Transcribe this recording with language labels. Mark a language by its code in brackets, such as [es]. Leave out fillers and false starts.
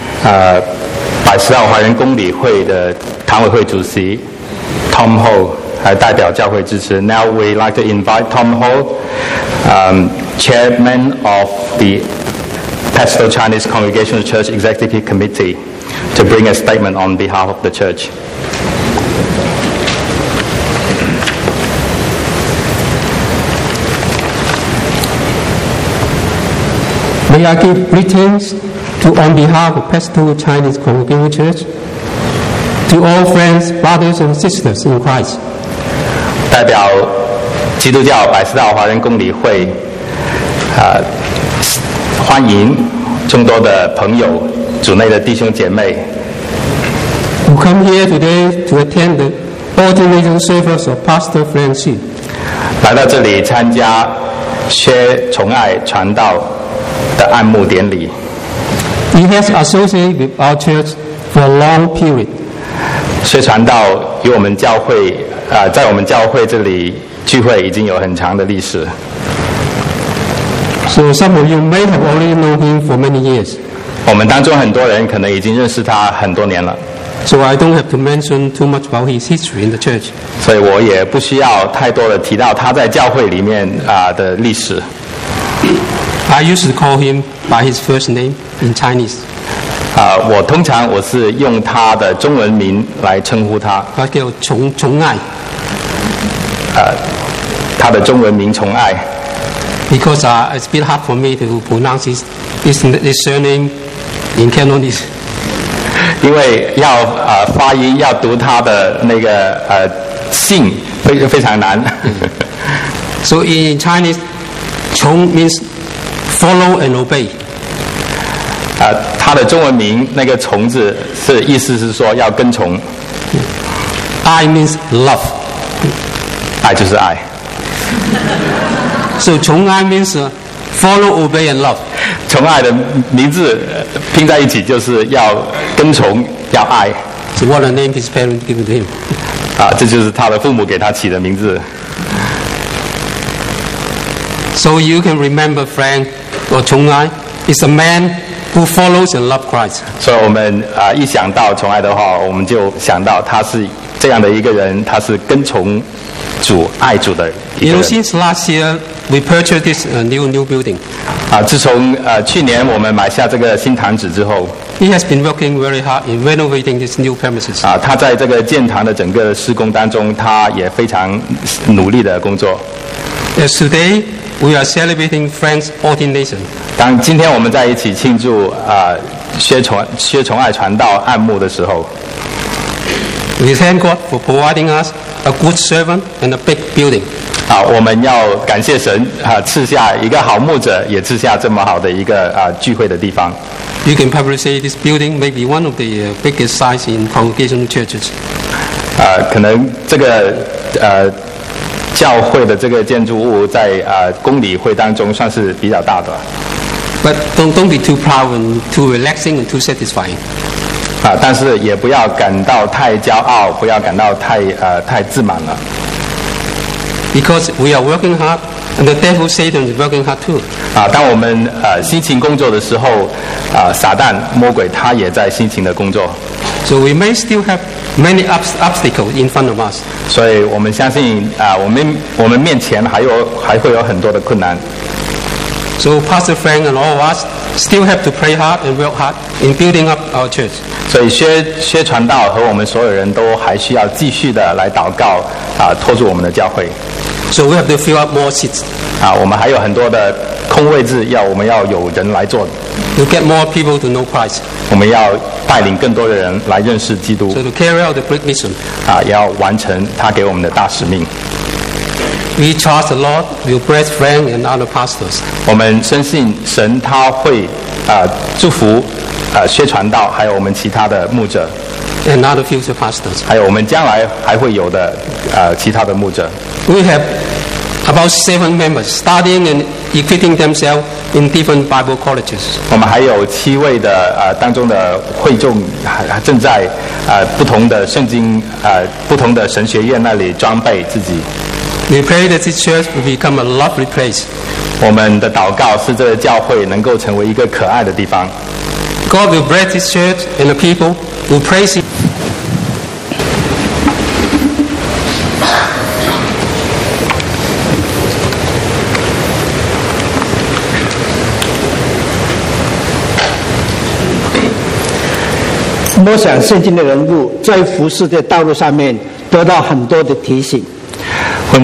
[zh] 百十二华人公理会的堂委会主席 Tom Ho 还代表教会支持。 [en] Now we like to invite Tom Ho, Chairman of the Pastoral Chinese Congregational Church Executive Committee to bring a statement on behalf of the church. May I give greetings to on behalf of Pastoral Chinese Congregational Church to all friends, brothers and sisters in Christ. [zh] 代表基督教百十道华人公理会欢迎众多的朋友组内的弟兄姐妹 [en] who come here today to attend the ordination service of Pastor Francis. [zh] 来到这里参加薛崇爱传道的按牧典礼。 [en] He has associated with our church for a long period. [zh] 薛传道与我们教会在我们教会这里聚会已经有很长的历史。 [en] So some of you may have already known him for many years. [zh] 我们当中很多人可能已经认识他很多年了。 [en] So I don't have to mention too much about his history in the church. [zh] 所以我也不需要太多的提到他在教会里面的历史。 [en] I used to call him by his first name in Chinese. [zh] 我通常我是用他的中文名来称呼他。他叫崇爱。他的中文名崇爱。 [en] Because it's a bit hard for me to pronounce his surname in Cantonese. [zh] 因为要发音要读他的那个姓非常难。 [en] So in Chinese, 崇 means follow and obey. [zh] 他的中文名那个崇字是意思是说要跟从。 [en] I means love. [zh] 爱就是爱。 [en] So 崇爱 means follow, obey, and love. [zh] 崇爱的名字拼在一起就是要跟从，要爱。 [en] So what a name his parents gave to him. [zh] 这就是他的父母给他起的名字。 [en] So you can remember Frank or 崇爱 is a man who follows and loves Christ. [zh] 所以我们一想到崇爱的话，我们就想到他是这样的一个人，他是跟从主、爱主的。 [en] You know, since last year, we purchased this new building. [zh] 自从去年我们买下这个新堂子之后 [en] ，He has been working very hard in renovating this new premises. [zh] 他在这个建堂的整个施工当中，他也非常努力的工作。 [en] As today, we are celebrating Frank's ordination. [zh] 当今天我们在一起庆祝薛崇爱传道按牧的时候 [en] ，We thank God for providing us a good servant and a big building. [zh] 我们要感谢神赐下一个好牧者，也赐下这么好的一个聚会的地方。 [en] You can probably say this building may be one of the biggest size in congregational churches. [zh] 可能这个教会的这个建筑物在公理会当中算是比较大的。 [en] But don't be too proud and too relaxing and too satisfying. [zh] 但是也不要感到太骄傲，不要感到太自满了。 [en] Because we are working hard, and the devil Satan is working hard too. [zh] 当我们辛勤工作的时候，撒旦魔鬼他也在辛勤的工作。 [en] So we may still have many obstacles in front of us. [zh] 所以我们相信我们面前还会有很多的困难。 [en] So Pastor Frank and all of us still have to pray hard and work hard in building up our church. [zh] 所以薛传道和我们所有人都还需要继续的来祷告托住我们的教会。 [en] So we have to fill up more seats. [zh] 我们还有很多的空位置我们要有人来做。 [en] To get more people to know Christ. [zh] 我们要带领更多的人来认识基督。 [en] So to carry out the great mission. [zh] 要完成他给我们的大使命。 [en] We trust the Lord will bless Frank and other pastors. [zh] 我们深信神他会祝福薛传道还有我们其他的牧者 [en] and other future pastors. [zh] 还有我们将来还会有的其他的牧者。 [en] We have about 7 members studying and equipping themselves in different Bible colleges. [zh] 我们还有七位的当中的会众还正在不同的圣经不同的神学院那里装备自己。 [en] We pray that this church will become a lovely place. [zh] 我们的祷告是这个教会能够成为一个可爱的地方。 [en] God will bless His church and the people who praise Him. When